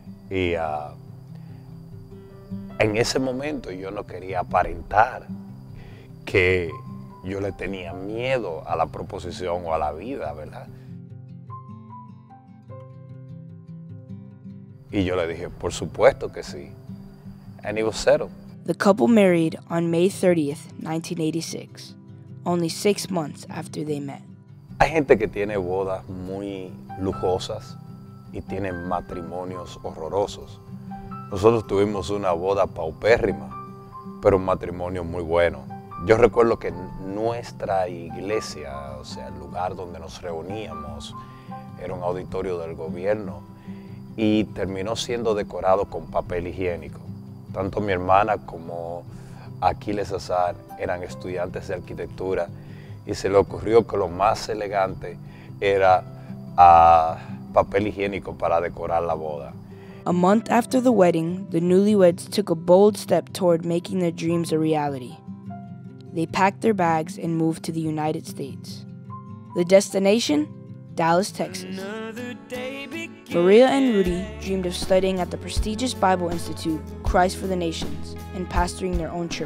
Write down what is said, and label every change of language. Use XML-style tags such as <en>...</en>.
<es>Y en ese momento yo no quería aparentar que yo le tenía miedo a la proposición o a la vida, ¿verdad? Y yo le dije, por supuesto que sí.</es> <en>And it was settled. The couple married on May 30th, 1986, only 6 months after they met.</en> <es>Hay gente que tiene bodas muy lujosas y tiene matrimonios horrorosos. Nosotros tuvimos una boda paupérrima, pero un matrimonio muy bueno. Yo recuerdo que nuestra iglesia, o sea, el lugar donde nos reuníamos, era un auditorio del gobierno y terminó siendo decorado con papel higiénico. Tanto mi hermana como Aquiles Azar eran estudiantes de arquitectura. Y se le ocurrió que lo más elegante era papel higiénico para decorar la boda.</es> <en>A month after the wedding, the newlyweds took a bold step toward making their dreams a reality. They packed their bags and moved to the United States. The destination? Dallas, Texas. Maria and Rudy dreamed of studying at the prestigious Bible Institute, Christ for the Nations, and pastoring their own church.</en>